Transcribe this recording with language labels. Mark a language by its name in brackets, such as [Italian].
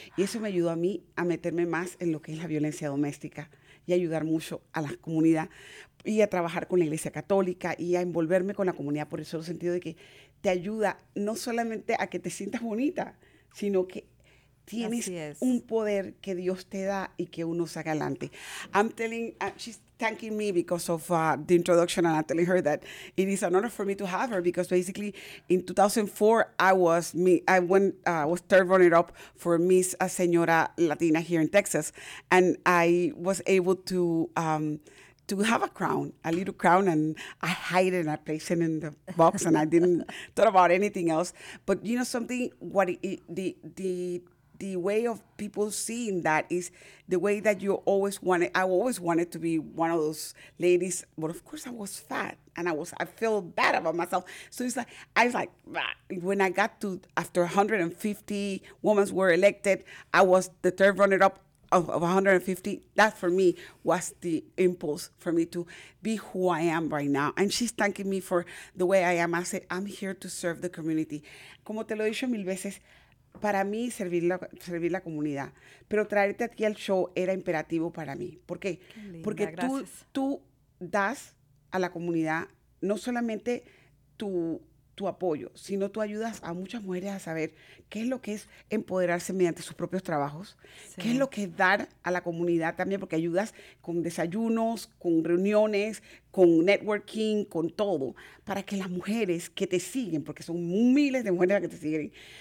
[Spanish] Y eso me ayudó a mí a meterme más en lo que es la violencia doméstica y ayudar mucho a la comunidad y a trabajar con la Iglesia Católica y a envolverme con la comunidad. Por eso el sentido de que te ayuda no solamente a que te sientas bonita, sino que tienes un poder que Dios te da y que uno saca adelante. [English] She's thanking me because of the introduction, and I'm telling her that it is an honor for me to have her, because basically in 2004 I was third runner up for Miss Señora Latina here in Texas, and I was able to have a crown, a little crown, and I hide it and I place it in the box and I didn't thought about anything else. But you know something, the way of people seeing that is the way that you always wanted. I always wanted to be one of those ladies, but of course I was fat and I feel bad about myself. So it's like, when I got to, after 150 women were elected, I was the third runner up of 150, that for me was the impulse for me to be who I am right now. And she's thanking me for the way I am. I said, I'm here to serve the community. [Spanish] Como te lo he dicho mil veces, para mí servir la comunidad. Pero traerte aquí al show era imperativo para mí. ¿Por qué? Qué linda, porque tú das a la comunidad no solamente tu apoyo, sino tú ayudas a muchas mujeres a saber qué es lo que es empoderarse mediante sus propios trabajos, qué es lo que es dar a la comunidad también, porque ayudas con desayunos, con reuniones, con networking, con todo, para que las mujeres que te siguen, porque son miles de mujeres que te siguen,